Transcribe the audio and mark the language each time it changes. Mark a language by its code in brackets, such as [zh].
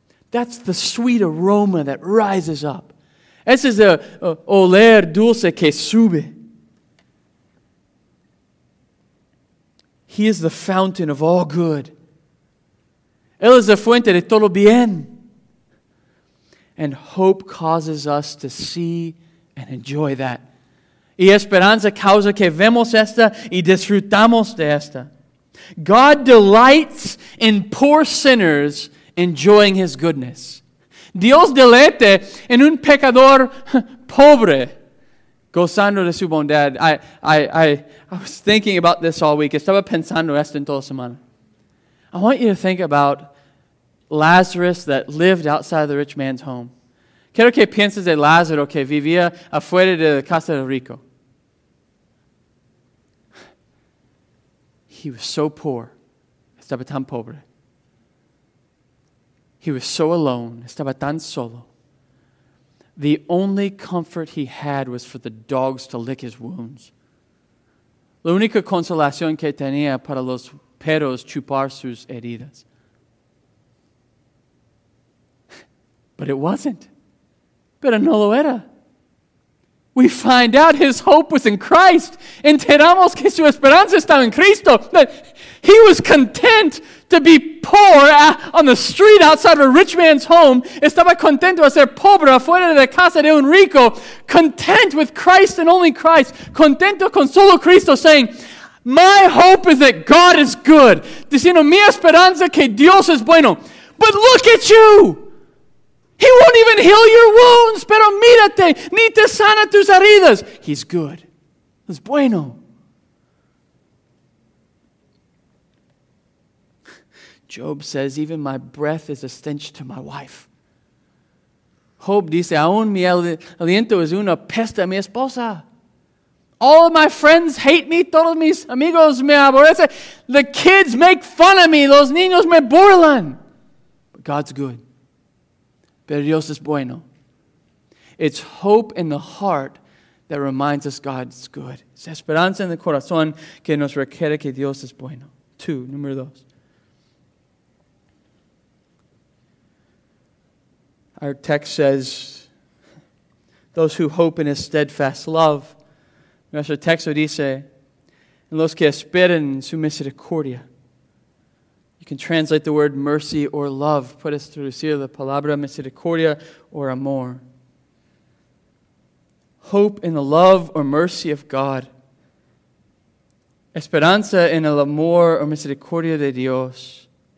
[en] That's the sweet aroma that rises up. [es] Ese es el oler dulce que sube. [en] He is the fountain of all good. [es] Él es la fuente de todo bien. [en] And hope causes us to see and enjoy that. [es] Y esperanza causa que vemos esta y disfrutamos de esta. [en] God delights in poor sinners enjoying His goodness. [es] Dios deleite en un pecador pobre gozando de su bondad. [en] I was thinking about this all week. [es] Estaba pensando esto en toda semana. [en] I want you to think about Lazarus that lived outside the rich man's home. [es] Quiero que pienses de Lázaro que vivía afuera de la casa del rico. [en] He was so poor. Estaba tan pobre. He was so alone. Estaba tan solo. The only comfort he had was for the dogs to lick his wounds. [es] La única consolación que tenía para los perros chupar sus heridas. [en] But it wasn't. [es] Pero no lo era. [en] We find out his hope was in Christ. [es] Enteramos que su esperanza estaba en Cristo. [en] That he was content to be poor on the street outside of a rich man's home. [es] Estaba contento a ser pobre afuera de la casa de un rico. [en] Content with Christ and only Christ. [es] Contento con solo Cristo, [en] saying, my hope is that God is good. [es] Diciendo, mi esperanza que Dios es bueno. [en] But look at you! He won't even heal your wounds, [es] pero mírate, ni te sana tus heridas. [en] He's good. [es] Es bueno. [en] Job says, even my breath is a stench to my wife. [es] Job dice, aún mi aliento es una peste a mi esposa. [en] All of my friends hate me, [es] todos mis amigos me aborrecen. [en] The kids make fun of me, [es] los niños me burlan. [en] But God's good. [es] Pero Dios es bueno. [en] It's hope in the heart that reminds us God's good. [es] Es esperanza en el corazón que nos requiere que Dios es bueno. [en] Two, [es] número dos. [en] Our text says, those who hope in his steadfast love. [es] Nuestro texto dice, en los que esperan su misericordia. [en] You can translate the word mercy or love. [es] Puedes traducir la palabra misericordia or amor. [en] Hope in the love or mercy of God. [es] Esperanza en el amor o misericordia de Dios.